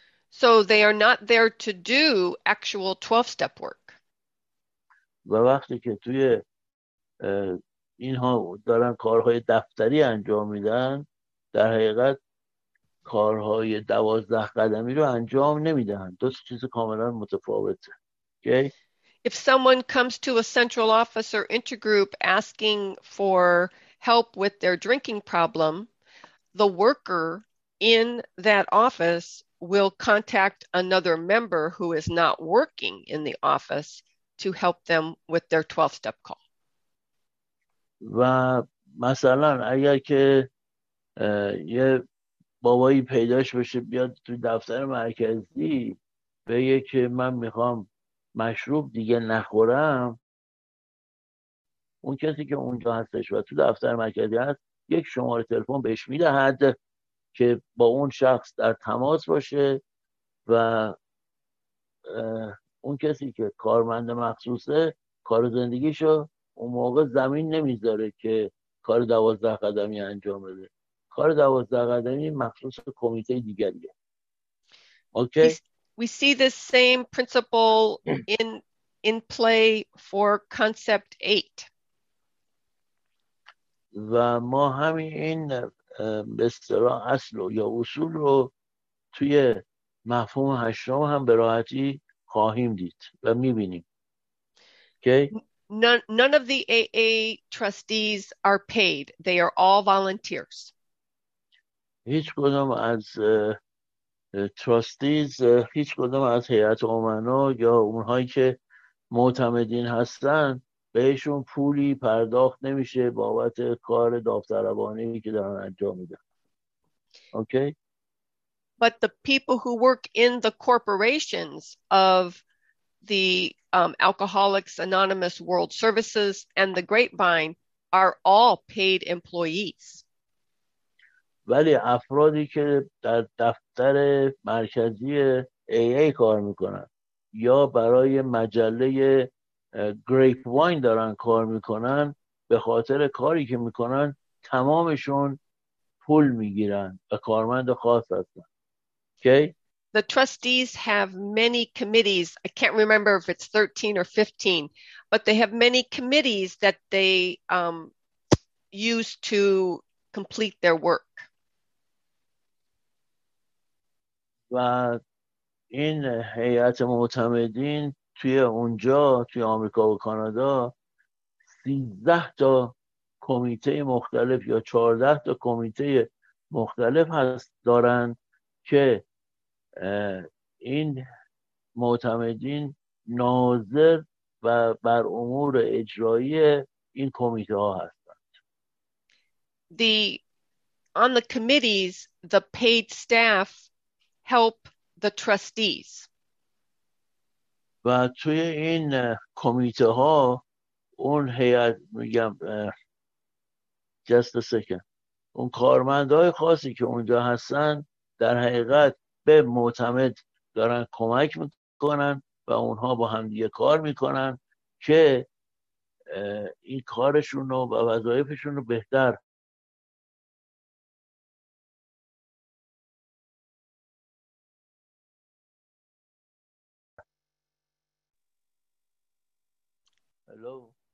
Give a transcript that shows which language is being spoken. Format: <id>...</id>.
<en>So they are not there to do actual 12-step work.</en> <fa>و وقتی که توی اینها دارن کارهای دفتری انجام میدن، در حقیقت کارهای 12 قدمی رو انجام نمیدن. دو چیز کاملا متفاوته.</fa> <en>Okay? If someone comes to a central office or intergroup asking for help with their drinking problem, the worker in that office will contact another member who is not working in the office to help them with their 12-step call.</en> <fa>و مثلا اگر که یه بابایی پیداش بشه بیاد تو دفتر مرکزی بگه که من میخوام مشروب دیگه نخورم، اون کسی که اونجا هستش و تو دفتر مرکزی هست یک شماره تلفن بهش میدهد که با اون شخص در تماس باشه و اون کسی که کارمند مخصوصه کار زندگیشو اون موقع زمین نمیذاره که کار 12 قدمی انجام بده. کار 12 قدمی مخصوص کمیته دیگریه.</fa> <en>Okay? We see the same principle in play for concept 8.</en> <fa>و ما همین این به اصطلاح اصل یا اصول رو توی مفهوم هشتم هم به راحتی خواهیم دید و می‌بینیم.</fa> <en>Okay? None of the AA trustees are paid. They are all volunteers.</en> <fa>هیچ کدام از trustees، هیچ کدام از هیئت امنا یا اونهایی که معتمدین هستن بهشون پولی پرداخت نمیشه بابت کار داوطلبانه‌ای که دارن انجام میدن.</fa> <en>Okay? But the people who work in the corporations of the Alcoholics Anonymous World Services and the Grapevine are all paid employees.</en> <fa>ولی افرادی که در دفتر مرکزی AA کار میکنن یا برای مجله گریپ واین دارن کار میکنن، به خاطر کاری که میکنن تمامشون پول میگیرن و کارمند خاص هستن.</fa> <en>Okay? The trustees have many committees. I can't remember if it's 13 or 15, but they have many committees that they use to complete their work.</en> <fa>و این هیئت معتمدین توی اونجا توی آمریکا و کانادا 13 تا کمیته مختلف یا 14 تا کمیته مختلف هست دارن که این معتمدین ناظر و بر امور اجرایی این کمیته ها هستند.</fa> <en>On the committees, the paid staff help the trustees.</en> <fa>و توی این کمیته ها اون هیئت میگم</fa> <en>just a second</en> <fa>اون کارمندهای خاصی که اونجا هستن در حقیقت به معتمد دارن کمک میکنن و اونها با هم دیگه کار میکنن که این کارشون رو و وظایفشون رو بهتر</fa> <en>Hello.</en>